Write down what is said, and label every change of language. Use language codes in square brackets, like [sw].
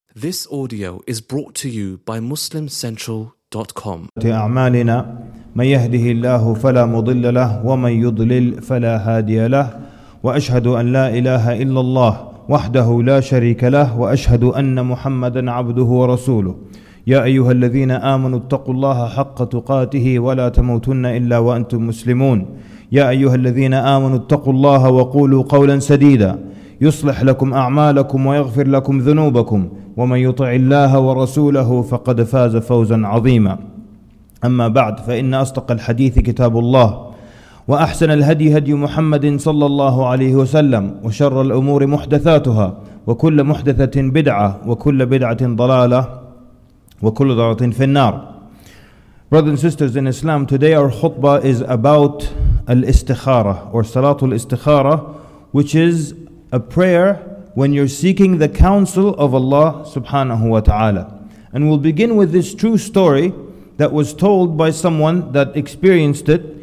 [en] This audio is brought to you by MuslimCentral.com. [ar] أعمالنا من يهده الله فلا مضل له ومن يضلل فلا هادي له وأشهد أن لا إله إلا الله وحده لا شريك له وأشهد أن محمدا عبده ورسوله يا أيها الذين آمنوا اتقوا الله حق تقاته ولا تموتن إلا وأنتم مسلمون يا أيها الذين آمنوا اتقوا الله وقولوا قولا سديدا يصلح لكم أعمالكم ويغفر لكم ذنوبكم ومن يطع الله ورسوله فقد فاز فوزا عظيما أما بعد فإن أصدق الحديث كتاب الله وأحسن الهدي هدي محمد صلى الله عليه وسلم وشر الأمور محدثاتها وكل محدثة بدعة وكل بدعة ضلالة وكل ضلالة في النار. [en] Brothers and sisters in Islam, today our khutbah is about الاستخارة or salatul istikhara, which is a prayer when you're seeking the counsel of Allah subhanahu wa ta'ala. And we'll begin with this true story that was told by someone that experienced it.